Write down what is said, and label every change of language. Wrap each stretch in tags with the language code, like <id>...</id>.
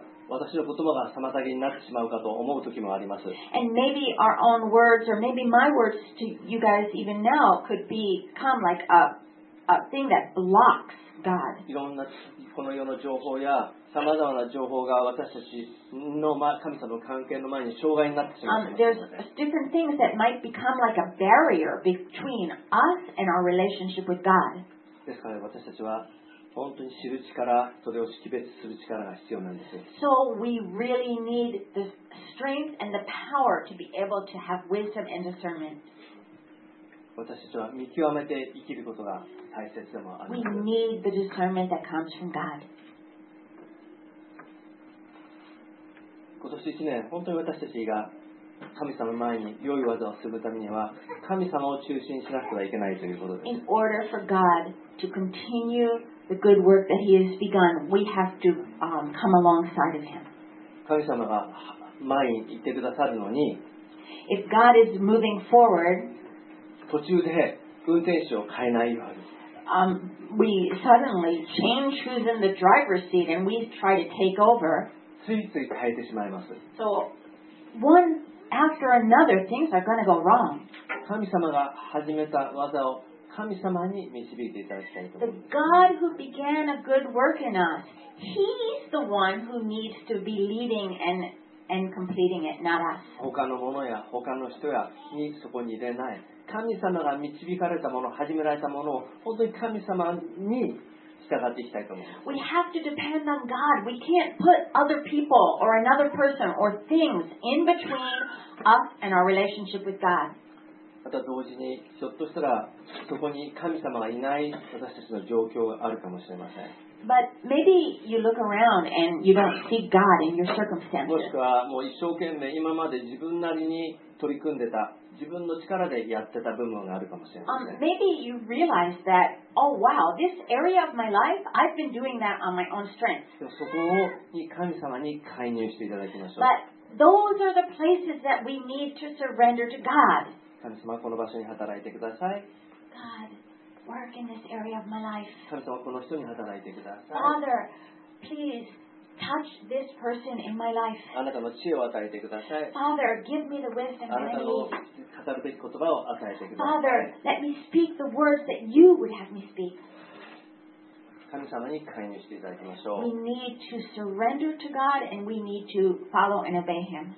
<ja>私の言葉が妨げになってしまうかと思う時もあります。</ja> <en>And maybe our own words or maybe my words to you guys even now could become like a thing that blocks God.</en> <ja>いろんなこの世の情報やさまざまな情報が私たちの神様の関係の前に障害になってしまう。</ja> <en>There's different things that might become like a barrier between us and our relationship with God.</en> <ja>ですから私たちは本当に知る力、それを識別する力が必要なんです。</ja> <en>So we really need the strength and the power to be able to have wisdom and discernment.</en> <ja>私たちは見極めて生きることが大切でもあります。</ja> <en>We need the discernment that comes from God.</en> <ja>今年一年、本当に私たちが神様の前に良い技をするためには、神様を中心にしなくてはいけないということです。</ja> <en>In order for God to continue the good work that he has begun, we have to come alongside of him.</en> <ja>神様が前に行ってくださるのに、</ja> <en>If God is moving forward,</en> <ja>途中で運転手を変えないように、</ja> <en>we suddenly change who's in the driver's seat and we try to take over.</en> <ja>ついつい変えてしまいます。</ja> <en>So, one after another, things are going to go wrong.</en> <ja>神様が始めた技を神様に導いていただきたいと思います。</ja> <en>The God who began a good work in us, He's the one who needs to be leading and completing it, not us.</en> <ja>他のものや他の人やにそこに入れない。神様が導かれたもの、始められたものを本当に神様に従っていきたいと思います。</ja> <en>We have to depend on God. We can't put other people or another person or things in between us and our relationship with God.</en> <ja>また同時にひょっとしたらそこに神様がいない私たちの状況があるかもしれません。</ja> <en>But maybe you look around and you don't see God in your circumstances.</en> <ja>もしくはもう一生懸命今まで自分なりに取り組んでた自分の力でやってた部分があるかもしれません。</ja> <en>Maybe you realize that, oh wow, this area of my life, I've been doing that on my own strength.</en> <ja>そこに神様に介入していただきましょう。</ja> <en>But those are the places that we need to surrender to God.</en> <ja>神様この場所に働いてください。</ja> <en>God, work in this area of my life.</en> <ja>神様この人に働いてください。</ja> <en>Father, please touch this person in my life.</en> <ja>あなたの知恵を与えてください。</ja> <en>Father, give me the wisdom that I need.</en> <ja>あなたの語るべき言葉を与えてください。</ja> <en>Father, let me speak the words that you would have me speak.</en> <ja>神様に介入していただきましょう。</ja> <en>We need to surrender to God and we need to follow and obey Him.</en>